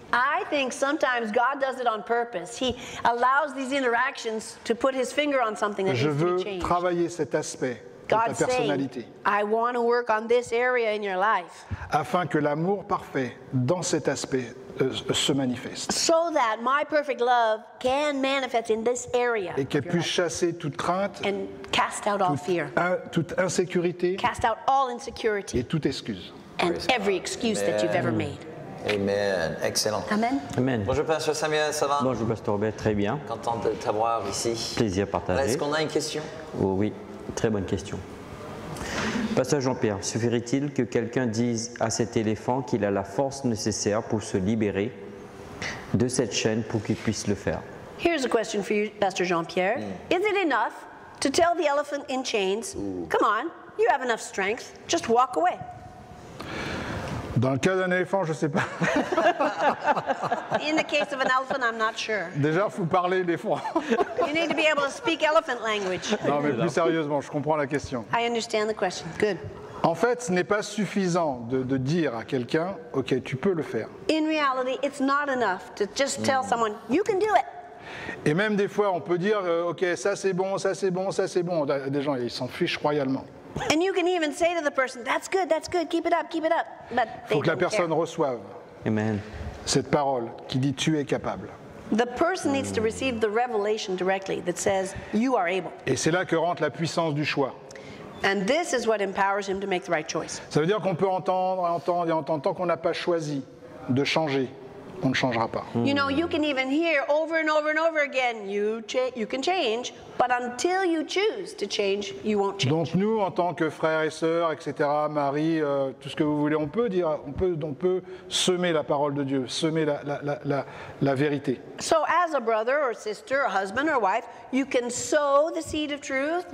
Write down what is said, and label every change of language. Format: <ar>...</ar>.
<en>I think sometimes God does it on purpose. He allows these interactions to put his finger on something that needs to be changed.</en> <fr>Je veux travailler cet aspect</fr> <en>God</en> <fr>de ta personnalité.</fr> <en>Saying, I want to work on this area in your life.</en> <fr>Afin que l'amour parfait dans cet aspect se manifeste.</fr> <en>So that my perfect love can manifest in this area.</en> <fr>Et qu'elle puisse chasser toute crainte.</fr> <en>And cast out all fear.</en> <fr>Toute insécurité.</fr> <en>Cast out all insecurity.</en> <fr>Et toute excuse.</fr> <en>And every excuse Amen. That you've ever made. Amen. Excellent. Amen. Amen.</en> <fr>Bonjour, Pasteur Samuel, ça va? Bonjour, Pasteur Robert, très bien. Content de t'avoir ici. Plaisir partagé. Est-ce qu'on a une question? Oh, oui, très bonne question. Pasteur Jean-Pierre, suffirait-il que quelqu'un dise à cet éléphant qu'il a la force nécessaire pour se libérer de cette chaîne pour qu'il puisse le faire?</fr> <en>Here's a question for you, Pasteur Jean-Pierre. Mm. Is it enough to tell the elephant in chains, come on, you have enough strength, just walk away?</en> <fr>Dans le cas d'un éléphant, je ne sais pas.</fr> <en>In the case of an elephant, I'm not sure.</en> <fr>Déjà, il faut parler des fois.</fr> <en>You need to be able to speak elephant language.</en> <fr>Non, mais plus sérieusement, je comprends la question.</fr> <en>I understand the question. Good.</en> <fr>En fait, ce n'est pas suffisant de dire à quelqu'un, OK, tu peux le faire.</fr> <en>In reality, it's not enough to just tell someone, you can do it.</en> <fr>Et même des fois, on peut dire, OK, ça c'est bon, ça c'est bon, ça c'est bon. Des gens, ils s'en fichent royalement.</fr> <en>And you can even say to the person, that's good, keep it up, but they</en> <fr>faut que la personne</fr> <en>care.</en> <fr>Reçoive Amen. Cette parole qui dit tu es capable.</fr> <en>The person needs to receive the revelation directly that says you are able.</en> <fr>Et c'est là que rentre la puissance du choix.</fr> <en>And this is what empowers him to make the right choice.</en> <fr>Ça veut dire qu'on peut entendre, entendre et entendre tant qu'on n'a pas choisi de changer. On ne changera pas.</fr> <en>You know, you can even hear over and over and over again, you can change, but until you choose to change, you won't change.</en> <fr>Donc nous, en tant que frères et sœurs, etc., mari, tout ce que vous voulez, on peut dire, on peut semer la parole de Dieu, semer la vérité.</fr> <en>So as a brother or sister, a husband or wife, you can sow the seed of truth.</en>